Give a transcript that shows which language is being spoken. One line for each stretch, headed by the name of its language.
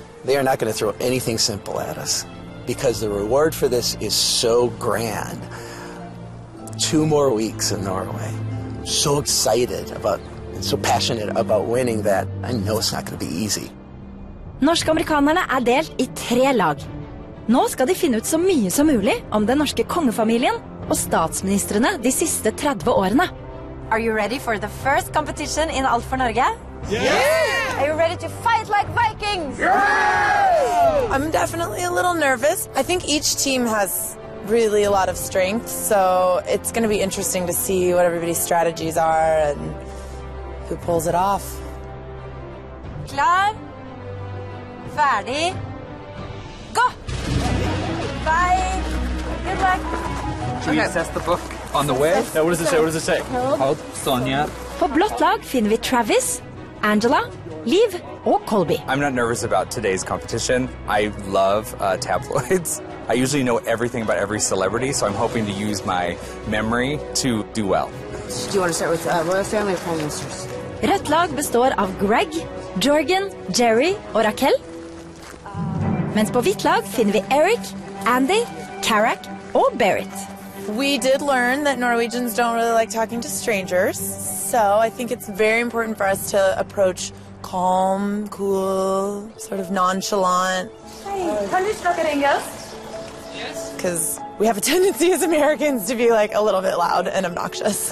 English: They are not going to throw anything simple at us because the reward for this is so grand. 2 more weeks in Norway. So excited about so passionate about winning that I know it's not going to be easy.
Norwegian: Norske amerikanerne delt I 3 lag. Nå skal de finne ut så mye som mulig om den norske kongefamilien og statsministrene de siste 30 årene.
English: Are you ready for the first competition in Alt for Norge? Yeah! Are you ready to fight like Vikings? Yeah! I'm definitely a little nervous. I think each team has really a lot of strength, so it's going to be interesting to see what everybody's strategies are and who pulls it off.
Norwegian: Klar, ferdig, gå! Bye!
English: Good luck! Should we assess the book? On the way? Yeah, what does it say? What does it say? Hold. Sonja.
Norwegian: På blått lag finner vi Travis, Angela, Liv og Colby.
English: I'm not nervous about today's competition. I love tabloids. I usually know everything about every celebrity, so I'm hoping to use my memory to do well. Do you want to start with royal family or prime ministers?
Norwegian: Rødt lag består av Greg, Jorgen, Jerry og Raquel. Mens på hvitt lag finner vi Eric, Andy, Karak og Berit.
English: We did learn that Norwegians don't really like talking to strangers, so I think it's very important for us to approach calm, cool, sort of nonchalant. Hey, can you speak English? Yes. Because we have a tendency as Americans to be like a little bit loud and obnoxious.